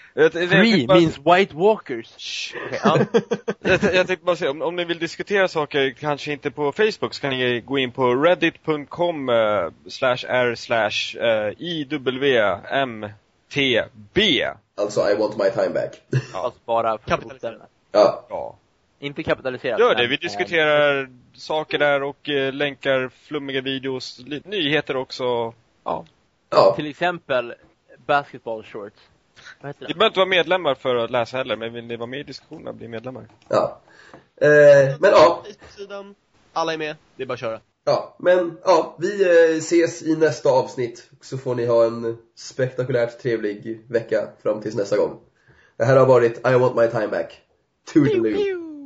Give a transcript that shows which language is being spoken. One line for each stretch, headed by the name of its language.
English: three means white walkers.
Swedish: Jag tänkte bara säga, om ni vill diskutera saker, kanske inte på Facebook, så kan ni gå in på reddit.com/r/IWMTB. Alltså
English: I want my time back.
Swedish: Ja. Alltså bara kapitalisera. Inte kapitalisera. Gör det, vi diskuterar saker där och länkar flummiga videos, nyheter också. Ja. Till exempel basketball shorts. Ni behöver inte vara medlemmar för att läsa heller, men vill ni vara med i diskussionen och bli medlemmar? Ja. Men ja. Alla är med, det är bara att köra. Ja, men ja, vi ses i nästa avsnitt. Så får ni ha en spektakulärt trevlig vecka fram tills nästa gång. Det här har varit I want my time back. Toodaloo.